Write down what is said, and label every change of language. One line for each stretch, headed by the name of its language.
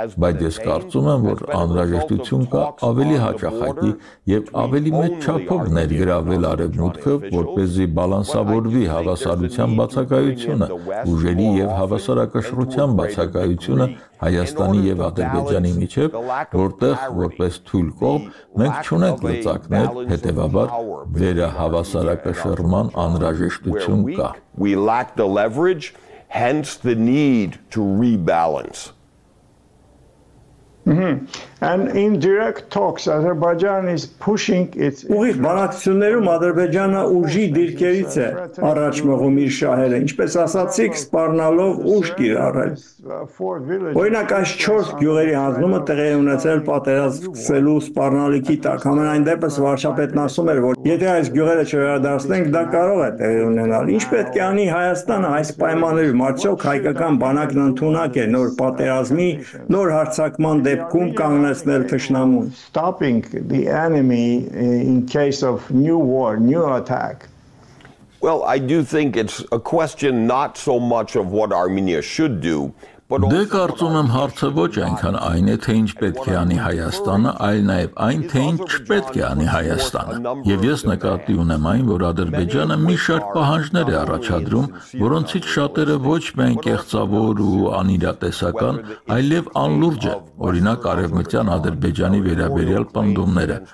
Armenian: բայց ես կարծում եմ, որ անհրաժեշտություն կա ավելի հաճախակի և ավելի մեծ չափով ներգրավել Արևմուտքը, որպեսզի բալանսավորվի հավասարության բացակայությունը, ուժերի և հավասարակշռության բացակայությունը Հայաստանի և Ադրբեջանի միջև, որտեղ որպես թույլ կողմ մենք չունենք լծակներ, հետևաբար վերահավասարակշռման անհրաժեշտություն կա։
English: We lack the leverage, hence the need to rebalance. And in direct talks, Azerbaijan is pushing its.
Armenian: Ուղիղ բանակցություններում Ադրբեջանը ուժի դիրքերից է առաջ մղում իր շահերը, ինչպես ասացիք, սպառնալով ուժ կիրառել. Օրինակ, այս 4 գյուղերի հանձնումը տեղի է ունեցել պատերազմելու սպառնալիքի տակ. Համենայն դեպս վարչապետն ասում էր, որ եթե այս գյուղերը չվերադարձնենք, դա կարող է տեղի ունենալ. Ինչ պետք է անի Հայաստանը այս պայմաններում, արդյոք հայկական բանակն ընդունակ է նոր պատերազմի, նոր հարձակման դեպքում կանգնեցնել թշնամուն?
English: Stopping the enemy in case of new war, new attack. Well, I do think it's a question not so much of what Armenia should do,
Armenian: Դե կարծում եմ հարցը ոչ այնքան այն է, թե ինչ պետք է անի Հայաստանը, այլ նաև այն, թե ինչ չպետք է անի Հայաստանը։ Եվ ես նկատի ունեմ այն, որ Ադրբեջանը մի շարք պահանջներ է առաջադրում, որոնցից շատերը ոչ միայն կեղծավոր ու անիրատեսական, այլև անլուրջ են, օրինակ արևմտյան Ադրբեջանի վերաբերյալ պնդումները,